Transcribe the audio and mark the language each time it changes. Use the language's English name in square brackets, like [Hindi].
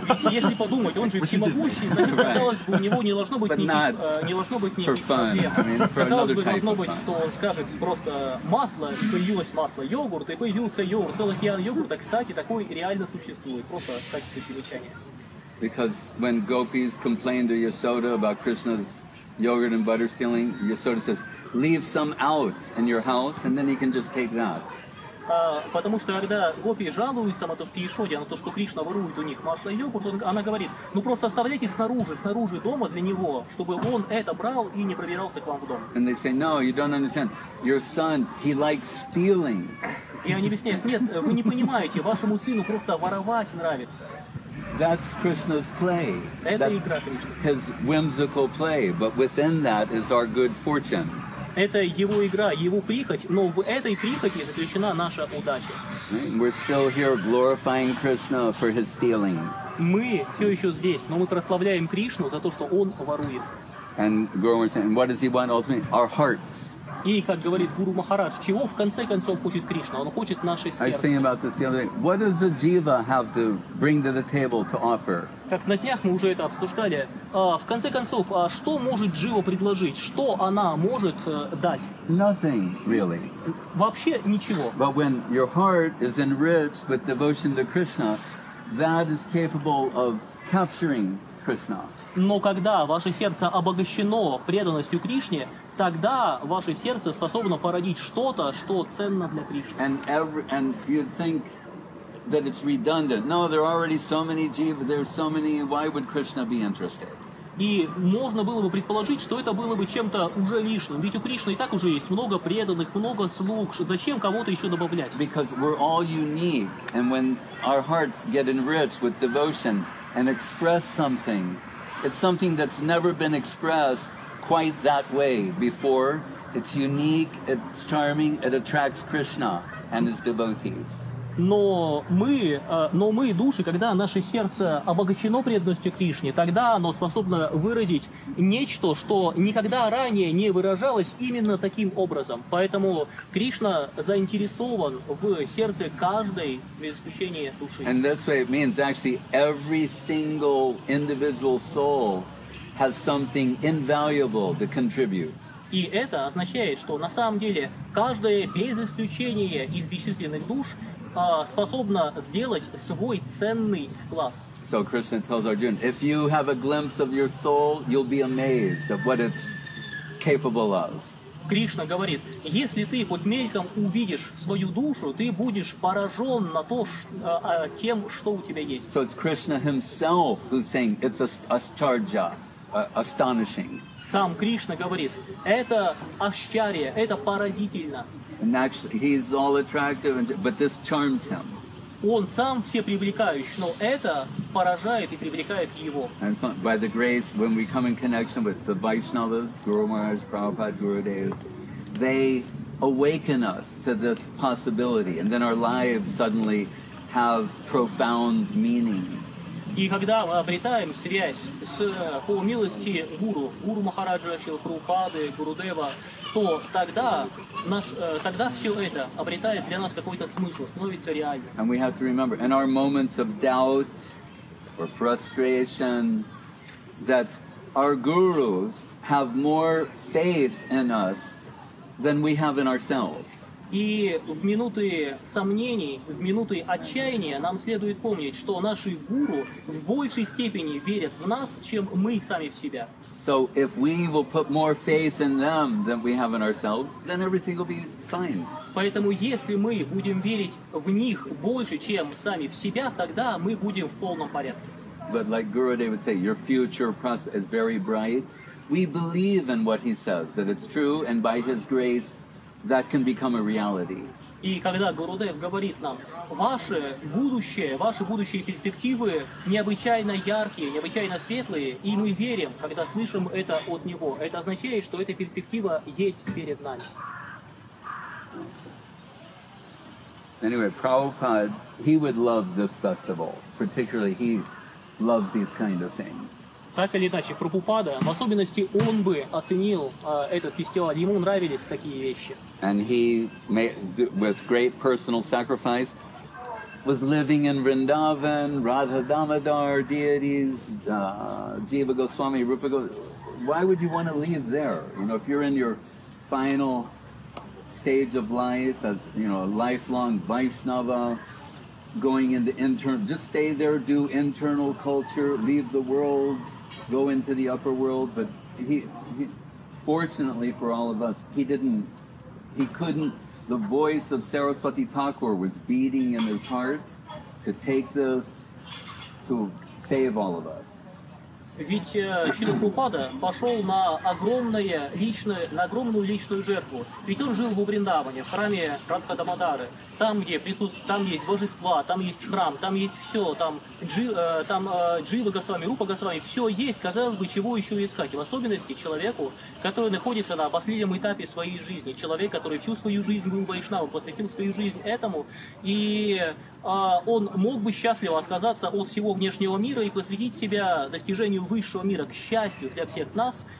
[Russian] Если подумать, он же всемогущий, значит, казалось бы, у него не должно быть никаких проблем. Казалось бы, должно быть, что он скажет просто масло, и появилось масло, йогурт, и появился йогурт. Целый океан йогурта, кстати, такой реально существует. Просто в качестве примечания. [English] Because when gopis complain to Yasoda about Krishna's yogurt and butter stealing, Yasoda says, leave some out in your house, and then he can just take that. [Russian] Потому что когда гопи жалуются на то, что Яшоде, на то, что Кришна ворует у них масло и йогурт, она говорит, ну просто оставляйте снаружи дома для него, чтобы он это брал и не пробирался к вам в дом. [English] And they say, no, you don't understand. Your son, he likes stealing. [Russian] И они объясняют, нет, вы не понимаете, вашему сыну просто воровать нравится. [English] That's Krishna's play. [Russian] Это игра Кришны. [English] His whimsical play, but within that is our good fortune. [Russian] Это его игра, его прихоть, но в этой прихоти заключена наша удача. [English] We're still here glorifying Krishna for his stealing. [Russian] Мы все еще здесь, но мы прославляем Кришну за то, что он ворует. [English] And Guru Maharaj said, what does he want ultimately? Our hearts. [Russian] И как говорит Гуру Махарадж, чего в конце концов хочет Кришна? Он хочет наше сердце. [English] I was thinking about this the other day. What does a jiva have to bring to the table to offer? [Russian] Как на днях мы уже это обсуждали. В конце концов, что может джива предложить? Что она может дать? [English] Nothing, really. [Russian] Вообще ничего. [English] But when your heart is enriched with devotion to Krishna, that is capable of capturing Krishna. [Russian] Но когда ваше сердце обогащено преданностью Кришне, тогда ваше сердце способно породить что-то, что ценно для Кришны. [English] And you'd think that it's redundant. No, there are already so many jivas, there are so many, why would Krishna be interested? [Russian] И можно было бы предположить, что это было бы чем-то уже лишним. Ведь у Кришны и так уже есть много преданных, много слуг. Зачем кого-то еще добавлять? [English] Because we're all unique, and when our hearts get enriched with devotion and express something, it's something that's never been expressed quite that way before. It's unique, it's charming, it attracts Krishna and his devotees. [Russian] Но мы души, когда наше сердце обогащено преданностью Кришне, тогда оно способно выразить нечто, что никогда ранее не выражалось именно таким образом. Поэтому Кришна заинтересован в сердце каждой, без исключения души. [English] And that's what it means. Actually, every single individual soul has something invaluable to contribute. [Russian] И это означает, что на самом деле каждая, без исключения из бесчисленных душ, способна сделать свой ценный вклад. [English] So Krishna tells Arjuna, if you have a glimpse of your soul, you'll be amazed at what it's capable of. [Russian] Кришна говорит, если ты хоть мельком увидишь свою душу, ты будешь поражен на то, тем, что у тебя есть. [English] So it's Krishna himself who's saying it's ashcharya, astonishing. [Russian] Сам Кришна говорит, это ашчария, это поразительно. [English] And actually, he's all attractive, but this charms him. [Russian] Он сам все привлекающий, но это поражает и привлекает его. [English] And so, by the grace, when we come in connection with the Vaishnavas, Guru Maharaj, Prabhupada, Gurudev, they awaken us to this possibility, and then our lives suddenly have profound meaning. [Russian] И когда мы обретаем связь с по милости Гуру, Гуру Махараджа, Шрила Прабхупады, Гурудева, то тогда тогда все это обретает для нас какой-то смысл, становится реальным. [English] And we have to remember in our moments of doubt or frustration that our gurus have more faith in us than we have in ourselves. [Russian] И в минуты сомнений, в минуты отчаяния нам следует помнить, что наши гуру в большей степени верят в нас, чем мы сами в себя. [English] So if we will put more faith in them than we have in ourselves, then everything will be fine. [Russian] Поэтому если мы будем верить в них больше, чем сами в себя, тогда мы будем в полном порядке. [English] But like Gurudev would say, your future prospect is very bright. We believe in what he says, that it's true, and by his grace, that can become a reality. [Russian] И когда Гурудев говорит нам, ваши будущие перспективы необычайно яркие, необычайно светлые, и мы верим, когда слышим это от него, это означает, что эта перспектива есть перед нами. [English] Anyway, Prabhupada, he would love this festival, particularly he loves these kind of things. [Russian] Так или иначе, Прабхупада, в особенности он бы оценил этот фестиваль, ему нравились такие вещи. [English] And he, with great personal sacrifice, was living in Vrindavan, Radha Damodar, deities, Jiva Goswami, Rupa Goswami. Why would you want to leave there? You know, if you're in your final stage of life, as you know, a lifelong Vaishnava, going into internal, just stay there, do internal culture, leave the world, go into the upper world. But he fortunately for all of us, he couldn't, the voice of Saraswati Thakur was beating in his heart to take this, to save all of us. [Russian] Ведь Шрила Прабхупада пошел на огромную личную жертву. Ведь он жил в Вриндаване, в храме Радха Дамодары. Там, где присутствует, там есть божества, там есть храм, там есть все, Джива Госвами, Рупа Госвами, все есть, казалось бы, чего еще искать. В особенности человеку, который находится на последнем этапе своей жизни, человек, который всю свою жизнь был вайшнавом, посвятил свою жизнь этому, и он мог бы счастливо отказаться от всего внешнего мира и посвятить себя достижению высшего мира, к счастью для всех нас.